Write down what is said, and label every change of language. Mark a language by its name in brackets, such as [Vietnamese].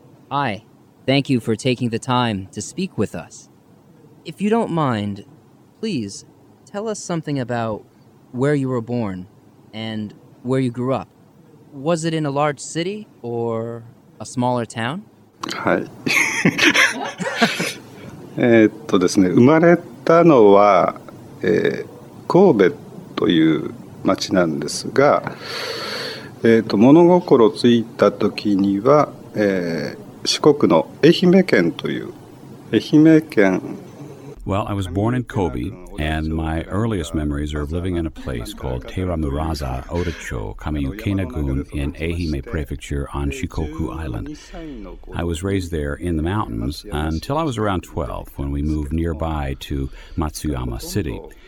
[English] Hi, thank you for taking the time to speak with us. If you don't mind, please tell us something about where you were born and where you grew up. Was it in a large city or a smaller town? Hi. [Japanese] ですね、生まれたのは、神戸という町なんですが、物心ついた時には、四国の愛媛県という愛媛県。 [English] Well, I was born in Kobe, and my earliest memories are of living in a place called Teramuraza, Odacho, Kamiukinagun in Ehime Prefecture on Shikoku Island. I was raised there in the mountains until I was around 12 when we moved nearby to Matsuyama City.